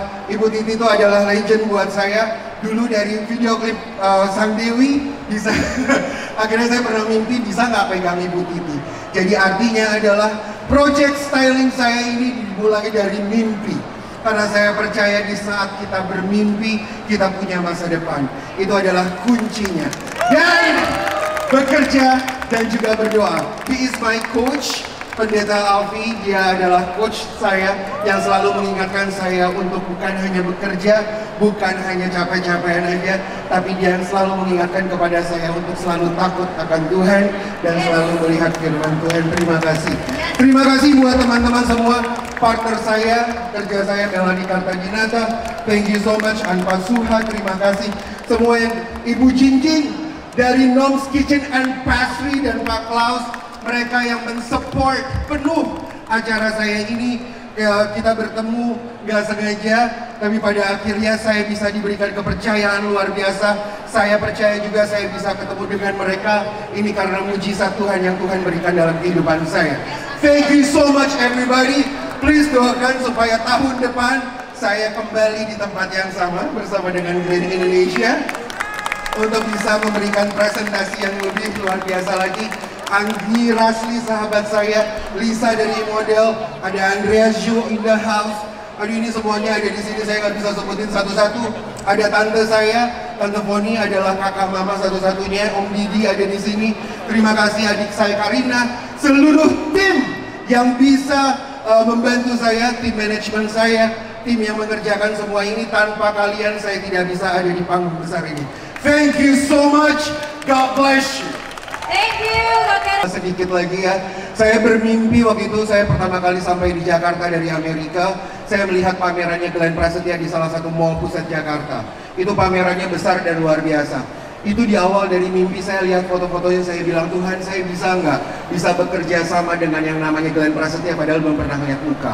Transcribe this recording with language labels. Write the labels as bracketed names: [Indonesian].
[Indonesian] Ibu Titi itu adalah legend buat saya. Dulu dari video klip Sang Dewi, bisa akhirnya saya pernah mimpi bisa nggak pegang Ibu Titi. Jadi artinya adalah project styling saya ini dimulai dari mimpi. Karena saya percaya di saat kita bermimpi, kita punya masa depan. Itu adalah kuncinya. Dan bekerja dan juga berdoa. [English] He is my coach, Pendeta Alfi. [Indonesian] Dia adalah coach saya yang selalu mengingatkan saya untuk bukan hanya bekerja, bukan hanya capek-capekan aja, tapi dia yang selalu mengingatkan kepada saya untuk selalu takut akan Tuhan dan selalu melihat firman Tuhan. Terima kasih. Terima kasih buat teman-teman semua. Partner saya, kerja saya, Melanie Kartaginata, [English] thank you so much, [Indonesian] Anpa Suha, terima kasih. Semua yang, Ibu Cincin dari Nom's Kitchen and Pastry dan Pak Klaus, mereka yang mensupport penuh acara saya ini. Ya, kita bertemu gak sengaja, tapi pada akhirnya saya bisa diberikan kepercayaan luar biasa. Saya percaya juga saya bisa ketemu dengan mereka, ini karena mujizat Tuhan yang Tuhan berikan dalam kehidupan saya. [English] Thank you so much everybody. [Indonesian] Please doakan supaya tahun depan saya kembali di tempat yang sama bersama dengan Grand Indonesia untuk bisa memberikan presentasi yang lebih luar biasa lagi. Anggi Rasli, sahabat saya, Lisa dari model, ada Andrea Zhu [English] in the house. [Indonesian] Aduh, ini semuanya ada di sini, saya nggak bisa sebutin satu-satu. Ada tante saya, Tante Foni adalah kakak mama satu-satunya. Om Didi ada di sini. Terima kasih adik saya Karina. Seluruh tim yang bisa membantu saya, tim manajemen saya, tim yang mengerjakan semua ini. Tanpa kalian saya tidak bisa ada di panggung besar ini. [English] Thank you so much, God bless you. Thank you, okay. [Indonesian] Sedikit lagi ya, saya bermimpi waktu itu saya pertama kali sampai di Jakarta dari Amerika. Saya melihat pamerannya Glenn Prasetya di salah satu mall pusat Jakarta. Itu pamerannya besar dan luar biasa. Itu di awal dari mimpi saya lihat foto-fotonya, saya bilang, Tuhan, saya bisa nggak bisa bekerja sama dengan yang namanya Glenn Prasetya padahal belum pernah melihat muka.